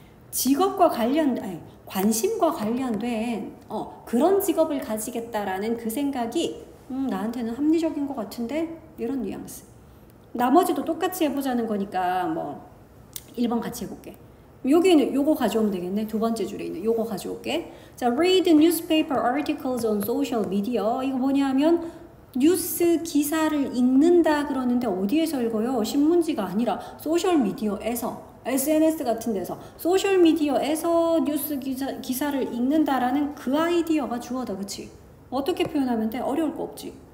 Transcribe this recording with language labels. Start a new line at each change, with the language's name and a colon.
Korean: 직업과 관련, 아니 관심과 관련된 그런 직업을 가지겠다 라는 그 생각이 나한테는 합리적인 것 같은데 이런 뉘앙스. 나머지도 똑같이 해보자는 거니까 뭐 1번 같이 해볼게. 여기 있는 요거 가져오면 되겠네. 두 번째 줄에 있는 요거 가져올게.
English: 자, read newspaper articles on social media.
Korean: 이거 뭐냐면 뉴스 기사를 읽는다 그러는데 어디에서 읽어요? 신문지가 아니라 소셜미디어에서, SNS 같은 데서, 소셜미디어에서 뉴스 기사를 읽는다라는 그 아이디어가 주어다. 그치? 어떻게 표현하면 돼? 어려울 거 없지.